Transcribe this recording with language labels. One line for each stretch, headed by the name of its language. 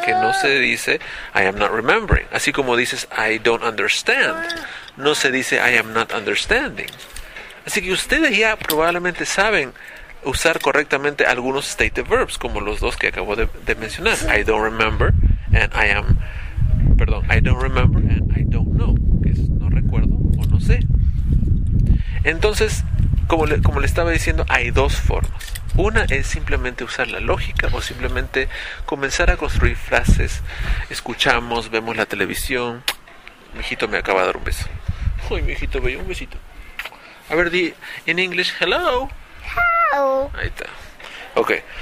Spanish: Que no se dice,
English: I am not remembering.
Spanish: Así como dices,
English: I don't understand.
Spanish: No se dice,
English: I am not understanding.
Spanish: Así que ustedes ya probablemente saben usar correctamente algunos state verbs, como los dos que acabo de mencionar.
English: I don't remember and I am...
Spanish: Perdón,
English: I don't remember and I don't know.
Spanish: Que es no recuerdo o no sé. Entonces, como le estaba diciendo, hay dos formas. Una es simplemente usar la lógica o simplemente comenzar a construir frases. Escuchamos, vemos la televisión. Mi hijito me acaba de dar un beso. Uy, mi hijito bello, un besito. A ver, di en inglés, hello. Ahí está. Ok.